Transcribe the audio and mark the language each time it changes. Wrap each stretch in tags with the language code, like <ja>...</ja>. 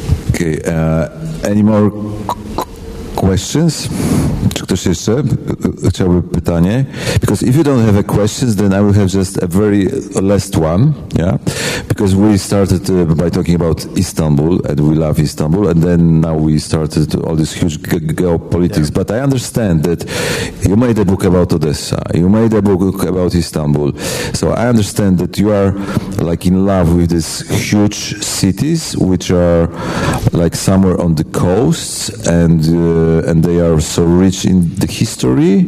<en>Okay, any more questions?</en> <pl>Czy ktoś jeszcze chciałby pytanie?</pl> <en>Because if you don't have a question, then I will have just a very last one, yeah? Because we started by talking about Istanbul, and we love Istanbul, and then now we started all this huge geopolitics. Yeah. But I understand that you made a book about Odessa, you made a book about Istanbul, so I understand that you are like in love with these huge cities, which are like somewhere on the coasts, and they are so rich in the history.</en>